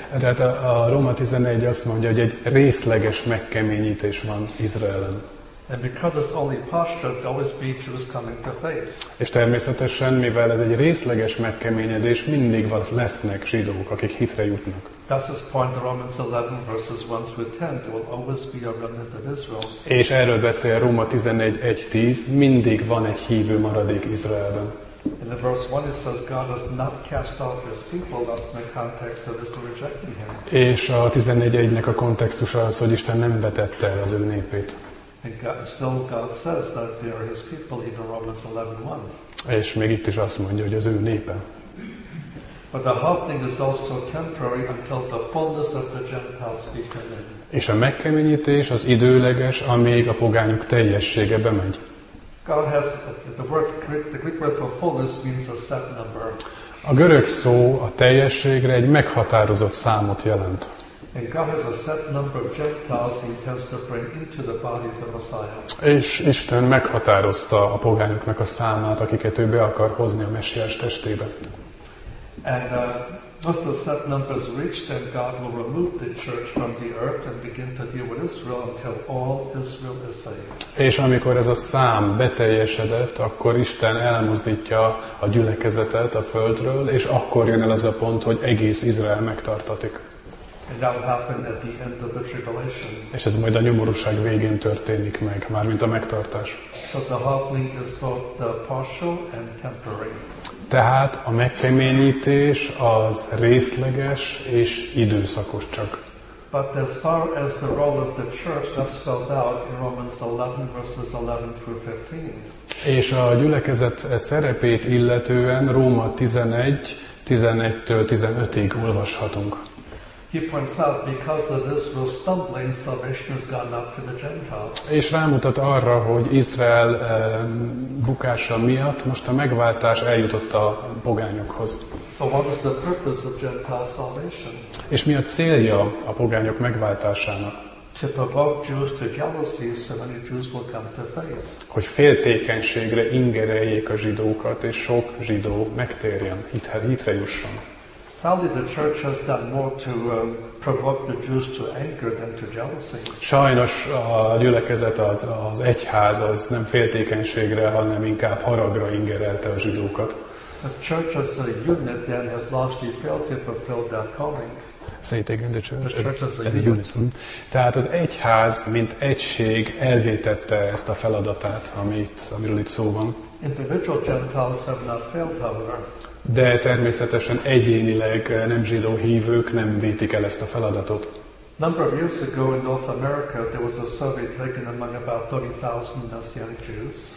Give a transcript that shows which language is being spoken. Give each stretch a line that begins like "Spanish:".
Hungarian: Tehát a Róma 11 azt mondja, hogy egy részleges megkeményítés van Izraelen.
English: And because it's only partial, it always means she was coming to faith.
Hungarian: És természetesen, mivel ez egy részleges megkeményedés, mindig lesznek zsidók, akik hitre jutnak.
English: That's his point in Romans 11, verses 1 through 10. There will always be a remnant of Israel.
Hungarian: És erről beszél Róma 11:1-10, mindig van egy hívő maradék Izraelben.
English: In the verse 1 it says God has not cast off his people, that's in the context of Israel rejecting him.
Hungarian: És a 11:1-nek a kontextusa az, hogy Isten nem vetette el az ő népét.
English: Still God says that they are his people, even Romans 11:1.
Hungarian: És még itt is azt mondja, hogy az ő népe.
English: But the hardening is also temporary until the fullness of the Gentiles be come in.
Hungarian: És a megkeményítés az időleges, amíg a pogányok teljessége bemegy.
English: God has the word, the Greek word for fullness means a set number.
Hungarian: A görög szó a teljességre egy meghatározott számot jelent.
English: And God has a set number of Gentiles he intends to bring into the body of the Messiah.
Hungarian: És Isten meghatározta a pogányoknak a számát, akiket ő be akar hozni a Messiás testébe.
English: And once the set number is reached, then God will remove the church from the earth and begin to deal with Israel until all Israel is saved.
Hungarian: És amikor ez a szám beteljesedett, akkor Isten elmozdítja a gyülekezetet a földről, és akkor jön el az a pont, hogy egész Izrael megtartatik.
English: And that will happen at the end of the tribulation.
Hungarian: És ez majd a nyomorúság végén történik meg, mármint a megtartás.
English: So the hardening is both the partial and temporary.
Hungarian: Tehát a megkeményítés az részleges és időszakos csak.
English: But as far as the role of the church that's spelled out in Romans 11 verses 11 through 15.
Hungarian: És a gyülekezet szerepét illetően Róma 11:11-15-ig olvashatunk.
English: He points out because of Israel's stumbling, salvation has gone up to the Gentiles.
Hungarian: És rámutat arra, hogy Izrael bukása miatt most a megváltás eljutott a pogányokhoz.
English: But what is the purpose of Gentile salvation?
Hungarian: És mi a célja a pogányok megváltásának?
English: To provoke Jews to jealousy, so many Jews will come to faith.
Hungarian: Hogy féltékenységre ingereljék a zsidókat, és sok zsidó megtérjen, hitre jusson.
English: Sadly, the church has done more to provoke the Jews to anger than to jealousy.
Hungarian: Sajnos a gyülekezet az egyház az nem féltékenységre, hanem inkább haragra ingerelte a zsidókat.
English: The church as a unit then has largely failed to fulfill that calling. The church as a unit.
Hungarian: Tehát az egyház mint egység elvétette ezt a feladatát, amiről itt szó van.
English: Individual Gentiles have not failed, however.
Hungarian: De természetesen egyénileg nem zsidó hívők nem vétik el ezt a feladatot.
English: Number of years ago in North America there was a survey taken among about 30,000 Messianic Jews.